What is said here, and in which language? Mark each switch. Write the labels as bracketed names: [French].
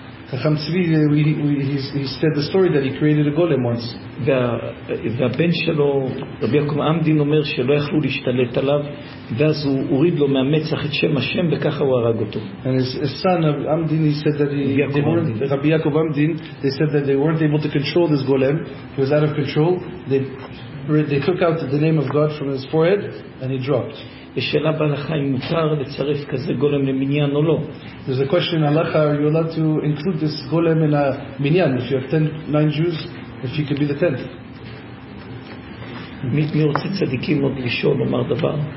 [English] Chacham Tzvi, he said the story that he created a golem once. [Hebrew] והבן שלו, רבי יעקב עמדין, אומר שלא יכלו להשתלט עליו, ואז הוא הוריד לו מהמצח את שם השם, וככה הוא הרג אותו. [English] And his son, Amdin, he said that Rabbi Yaakov Amdin, they said that they weren't able to control this golem. He was out of control. They took out the name of God from his forehead, and he dropped. [Hebrew] ושאלה בהלכה אם מותר לצרף כזה גולם למניין או לא. [English] There's a question in Halacha, are you allowed to include this golem in a minyan? If you have 9 Jews, if you could be the 10th. [Hebrew] מי רוצה צדיקים עוד לשאול, אומר דבר?